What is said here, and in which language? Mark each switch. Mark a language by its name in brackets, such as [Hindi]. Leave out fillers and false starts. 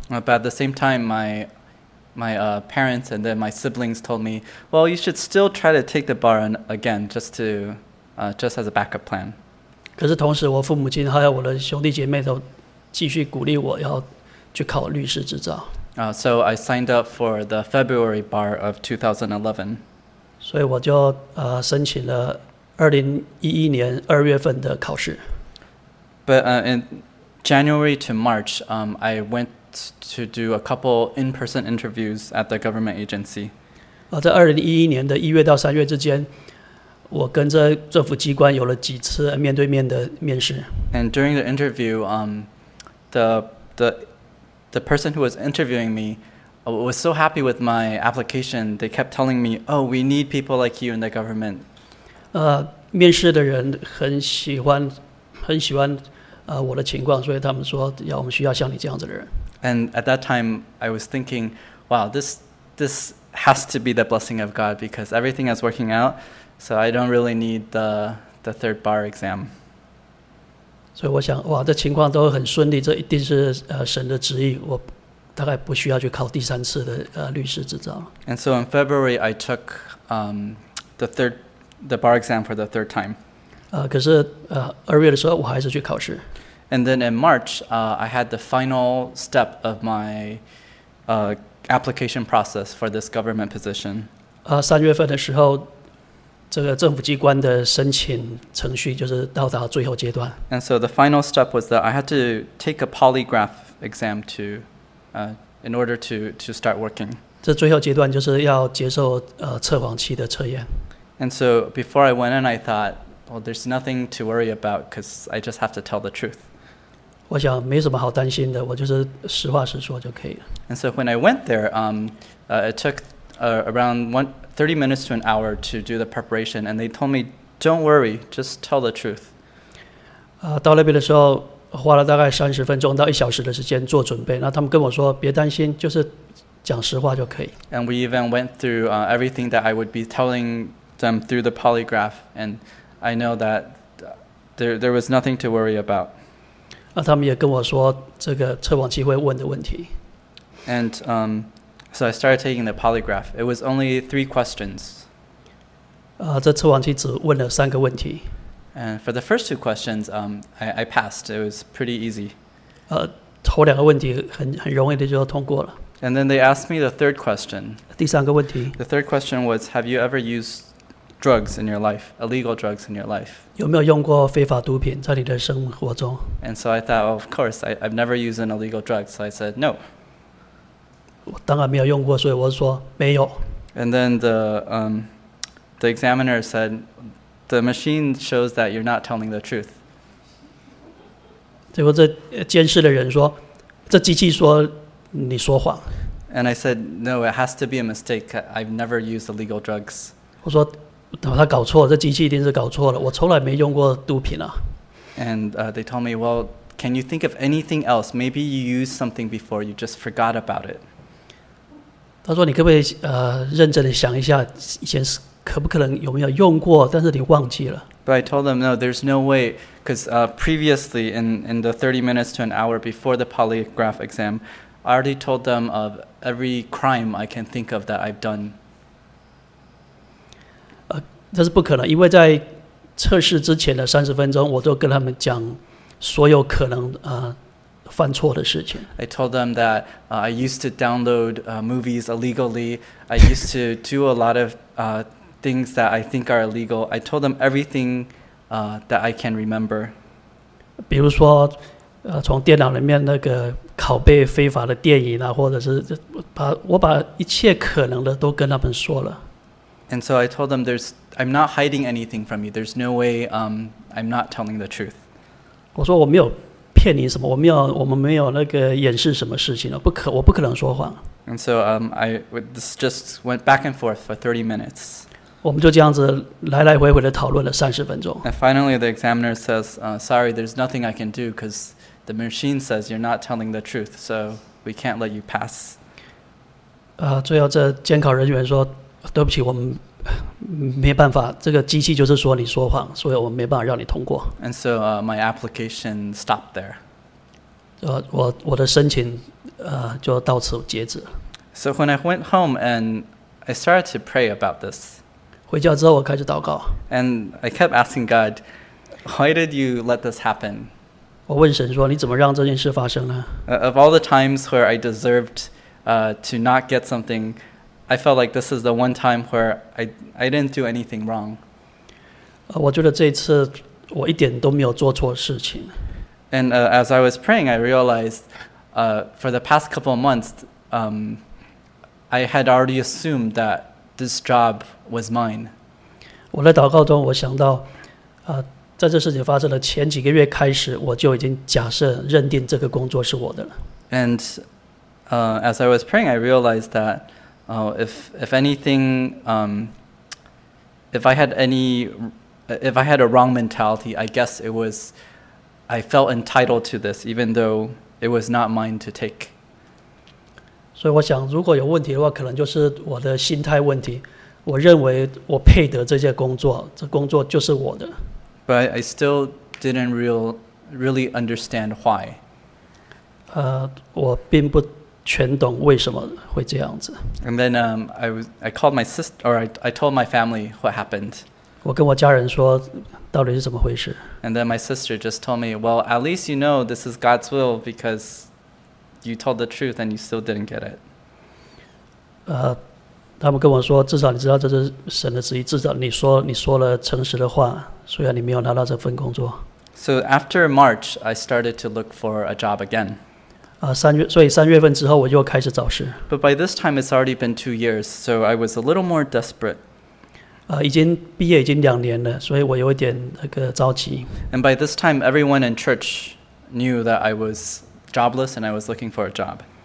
[English] But at the same time, my parents and then my siblings told me, well, you should still try to take the bar again just as a backup plan. [Chinese] 可是同时，我父母亲还有我的兄弟姐妹都继续鼓励我要去考律师执照。 [English] So I signed up for the February bar of 2011. [Chinese] 所以我就申请了2011年二月份的考试。 [English] But in January to March, I went to do a couple in-person interviews at the government agency. [Chinese] 在2011年的一月到三月之间，我跟着政府机关有了几次面对面的面试。 [English] And during the interview, the person who was interviewing me was so happy with my application. They kept telling me, "Oh, we need people like you in the government." [Chinese] 面试的人很喜欢我的情况，所以他们说要我们需要像你这样子的人。 [English] And at that time, I was thinking, wow, this has to be the blessing of God because everything is working out, so I don't really need the third bar exam. [Chinese] 所以我想，哇，这情况都很顺利，这一定是神的旨意，我大概不需要去考第三次的律师执照。 [English] And so in February, I took the bar exam for the third time. [Chinese] 可是二月的时候我还是去考试。 [English] And then in March, I had the final step of my application process for this government position. [Chinese] 三月份的时候，这个政府机关的申请程序就是到达最后阶段。 [English] And so the final step was that I had to take a polygraph exam in order to start working. [Chinese] 这最后阶段就是要接受测谎器的测验。 [English] And so before I went in, I thought, well, there's nothing to worry about because I just have to tell the truth. [Chinese] 我想没什么好担心的，我就是实话实说就可以了。 [English] And so when I went there, it took around 30 minutes to an hour to do the preparation, and they told me, don't worry, just tell the truth. [Chinese] 到那边的时候花了大概30分钟到一小时的时间做准备，那他们跟我说别担心，就是讲实话就可以。 [English] And we even went through everything that I would be telling them through the polygraph, and I know that there was nothing to worry about. [Chinese] 那他们也跟我说这个测谎机会问的问题。 [English] And so I started taking the polygraph. It was only 3 questions. [Chinese] 这测谎机只问了3个问题。 [English] And for the first 2 questions, I passed. It was pretty easy. [Chinese] 头两个问题很容易的就通过了。 [English] And then they asked me the third question. [Chinese] 第三个问题。 [English] The third question was, have you ever used drugs in your life, illegal drugs in your life? [Chinese] 有没有用过非法毒品在你的生活中？ [English] And so I thought, well, of course, I've never used an illegal drug. So I said, no. [Chinese] 我当然没有用过，所以我说没有。 [English] And then the examiner said, the machine shows that you're not telling the truth. [Chinese] 结果这监视的人说，这机器说你说谎。 [English] And I said, no, it has to be a mistake. I've never used illegal drugs. [Chinese] 我说，他搞错了，这机器一定是搞错了，我从来没用过毒品啊。 [English] And they told me, well, can you think of anything else? Maybe you used something before, you just forgot about it. [Chinese] 他说，你可不可以认真的想一下，以前是可不可能有没有用过，但是你忘记了。 [English] But I told them, no, there's no way, because previously in the 30 minutes to an hour before the polygraph exam, I already told them of every crime I can think of that I've done. [Chinese] 这是不可能，因为在测试之前的30分钟，我都跟他们讲所有可能犯错的事情。 [English] I told them that I used to download movies illegally. I used to do a lot of things that I think are illegal. I told them everything that I can remember. [Chinese] 比如说，从电脑里面那个拷贝非法的电影啊，或者是我把一切可能的都跟他们说了。 [English] And so I told them I'm not hiding anything from you. There's no way I'm not telling the truth. [Chinese] 我说我没有骗你什么，我们没有那个掩饰什么事情，我不可能说谎。 [English] And so this just went back and forth for 30 minutes. [Chinese] 我们就这样子来来回回的讨论了30分钟。 [English] And finally the examiner says, sorry, there's nothing I can do because the machine says you're not telling the truth, so we can't let you pass. [Chinese] 最后这监考人员说，对不起，我们没办法，这个机器就是说你说谎，所以我没办法让你通过。 [English] And so my application stopped there. [Chinese] 我的申请就到此截止。 [English] So when I went home and I started to pray about this. [Chinese] 回家之后我开始祷告。 [English] And I kept asking God, why did you let this happen? [Chinese] 我问神说，你怎么让这件事发生呢？ [English] Of all the times where I deserved to not get something,I felt like this is the one time where I didn't do anything wrong. [Chinese] 我觉得这一次我一点都没有做错事情。 [English] And as I was praying, I realized for the past couple of months, I had already assumed that this job was mine. [Chinese] 我在祷告中我想到在这事情发生的前几个月开始，我就已经假设认定这个工作是我的了。 [English] And as I was praying, I realized thatIf anything, if I had a wrong mentality, I guess it was, I felt entitled to this, even though it was not mine to take. [Chinese] 所以我想，如果有问题的话，可能就是我的心态问题。我认为我配得这些工作，这工作就是我的。 [English] But I still didn't really understand why. [Chinese] 我并不全懂为什么会这样子。 [English] And then I called my sister, or I told my family what happened. [Chinese] 我跟我家人说到底是怎么回事。 [English] And then my sister just told me, well, at least you know this is God's will because you told the truth and you still didn't get it. [Chinese] 他们跟我说，至少你知道这是神的旨意，至少你说了诚实的话，虽然你没有拿到这份工作。 [English] So after March, I started to look for a job again. [Chinese] 所以三月份之后我就开始找事。 [English] But by this time it's already been 2 years, so I was a little more desperate. [Chinese] 已经毕业已经两年了，所以我有点那个着急。 [English] And by this time everyone in church knew that I was jobless and I was looking for a job.